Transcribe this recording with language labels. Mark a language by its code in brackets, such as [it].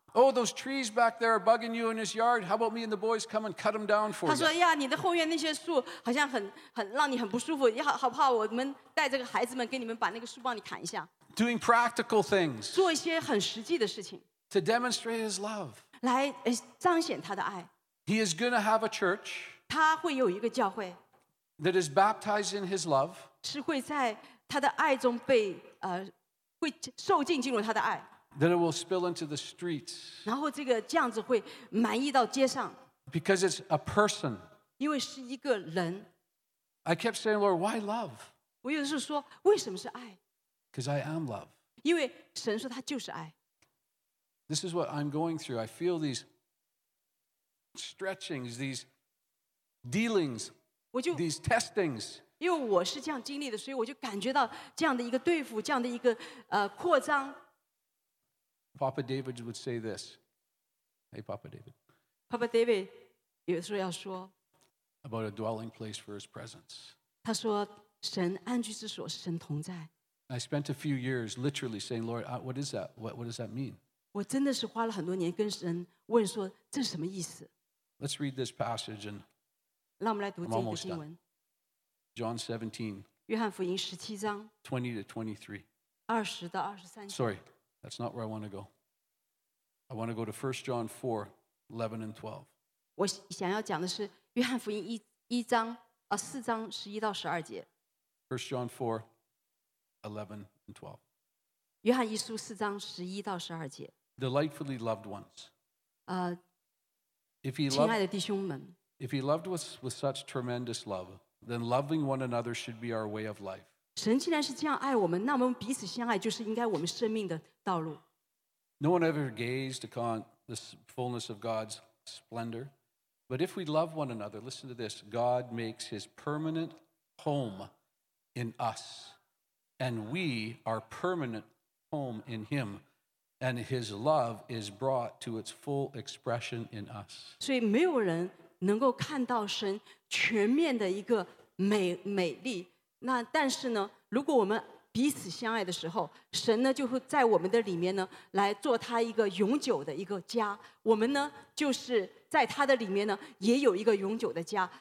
[en] Oh, those trees back there are bugging you in this yard. How about me and the boys come and cut them down for you? [zh] 他说呀，你的后院那些树好像很让你很不舒服，要好不好？我们带这个孩子们给你们把那个树帮你砍一下。 [en] Doing practical things. [zh] 做一些很实际的事情。 [en] To demonstrate his love. [zh] 来彰显他的爱。 [en] He is going to have a church. [zh] 他会有一个教会。 [en] That is baptized in his love. [zh] 是会在他的爱中被会受浸进入他的爱。 [en] Then it will spill into the streets. [zh] 然后这个这样子会满溢到街上。 [en] Because it's a person. [zh] 因为是一个人。 [en] I kept saying, Lord, why love? [zh] 我有的时候说，为什么是爱？ [en] Because I am love. [zh] 因为神说他就是爱。 [en] This is what I'm going through. I feel these stretchings, these dealings, these testings. [zh] 因为我是这样经历的，所以我就感觉到这样的一个对付，这样的一个扩张。 [en] Papa David would say this. Hey, Papa David. [zh] Papa David 有时候要说 [en] about a dwelling place for his presence. [zh] 他说神安居之所是神同在。 [en] I spent a few years literally saying, Lord, what is that? What does that mean? [zh] 我真的是花了很多年跟神问说这是什么意思。 [en] Let's read this passage and [zh] 让我们来读这个经文。 [en] John 17. [zh] 约翰福音十七章。 [en] 20 to 23. [zh] 二十到二十三节。 [en] Sorry. That's not where I want to go. I want to go to 1 John 4, 11 and 12. [zh] 我想要讲的是约翰福音一章啊四章十一到十二节。 [en] 1 John 4, 11 and 12. [zh] 约翰一书四章十一到十二节。 [en] Delightfully loved ones. [zh] 亲爱的弟兄们。 [en] If he loved us with such tremendous love, then loving one another should be our way of life. [zh] 神既然是这样爱我们，那么彼此相爱就是应该我们生命的道路。 [en] No one ever gazed upon the fullness of God's splendor, but if we love one another, listen to this: God makes His permanent home in us, and we are permanent home in Him, and His love is brought to its full expression in us. [zh] 所以没有人能够看到神全面的一个美丽。那但是呢，如果我们彼此相爱的时候，神呢就会在我们的里面呢来做他一个永久的一个家。我们呢就是在他的里面呢也有一个永久的家。